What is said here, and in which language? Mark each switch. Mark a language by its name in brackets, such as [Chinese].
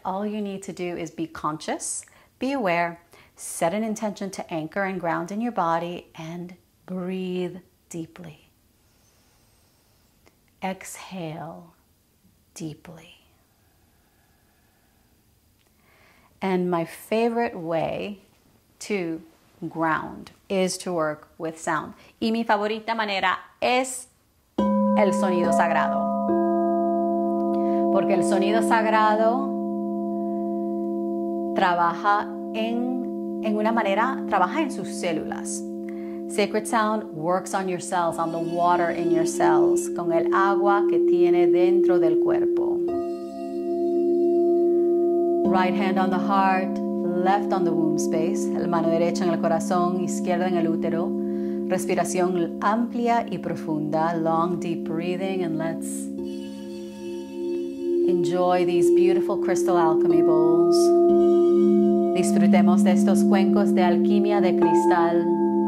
[English] All you need to do is be conscious, be aware, set an intention to anchor and ground in your body, and breathe deeply. exhale deeply. And my favorite way to ground is to work with sound. [Spanish] Y mi favorita manera es el sonido sagrado. Porque el sonido sagrado trabaja en una manera, trabaja en sus células. [English] Sacred sound works on your cells, on the water in your cells, [Spanish] con el agua que tiene dentro del cuerpo. [English] Right hand on the heart, left on the womb space. [Spanish] La mano derecha en el corazón, izquierda en el útero. Respiración amplia y profunda. [English] Long, deep breathing, and let's enjoy these beautiful crystal alchemy bowls. [Spanish] Disfrutemos de estos cuencos de alquimia de cristal.